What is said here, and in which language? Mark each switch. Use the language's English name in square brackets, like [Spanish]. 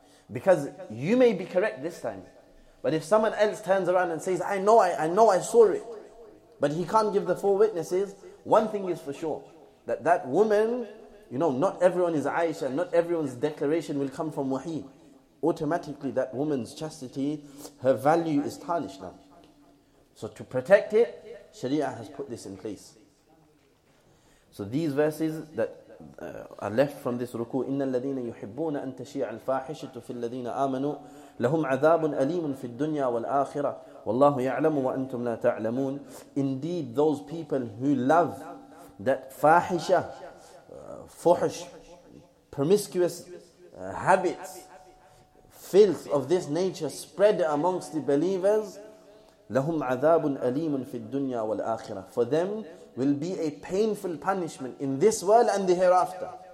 [English] Because you may be correct this time. But if someone else turns around and says, I know I saw it, but he can't give the four witnesses, one thing is for sure, that woman, you know, not everyone is Aisha, not everyone's declaration will come from wahi. Automatically that woman's chastity, her value is tarnished now. So to protect it, Sharia has put this in place. So these verses that are left from this ruku, [Arabic] إِنَّ الَّذِينَ يُحِبُّونَ أَن تَشِيعَ الْفَاحِشَةُ فِي الَّذِينَ آمَنُوا لَهُمْ عَذَابٌ أَلِيمٌ فِي الدُّنْيَا وَالْآخِرَةِ وَاللَّهُ يَعْلَمُ وَأَنْتُمْ لَا تَعْلَمُونَ. [English] Indeed, those people who love that fahisha, fuhsh, promiscuous habits, filth of this nature spread amongst the believers, [Arabic] لَهُمْ عَذَابٌ أَلِيمٌ فِي الدُّنْيَا وَالْآخِرَةِ, [English] for them will be a painful punishment in this world and the hereafter.